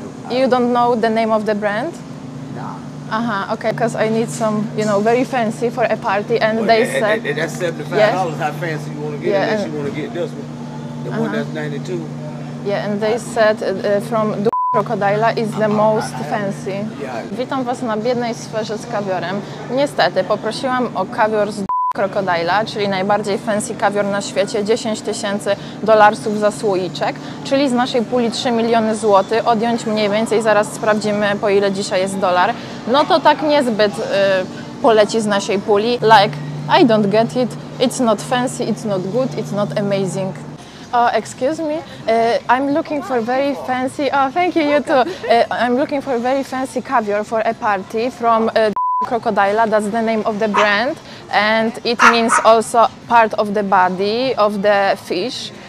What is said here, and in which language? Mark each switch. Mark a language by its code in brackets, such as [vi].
[en] You don't know the name of the brand? Aha, okay, because I need some, you know, very fancy for a party, and well, they said... That's $75, yes? How fancy you want to get, yeah, unless you want to get this one, the one that's 92. Yeah, and they said from [pl] dupy krokodyla [en] is the most fancy. [pl] Yeah. Witam was na biednej sferze z kawiorem. Niestety, poprosiłam o kawior z dupy krokodyla, czyli najbardziej fancy kawior na świecie, 10 tysięcy dolarsów za słoiczek, czyli z naszej puli 3 miliony złotych, odjąć mniej więcej, zaraz sprawdzimy, po ile dzisiaj jest dolar. No to tak niezbyt poleci z naszej puli. [en] Like, I don't get it. It's not fancy, it's not good, it's not amazing. Oh, excuse me. I'm looking for very fancy... Oh, thank you, you too. I'm looking for very fancy caviar for a party from Crocodile. That's the name of the brand. And it means also part of the body of the fish.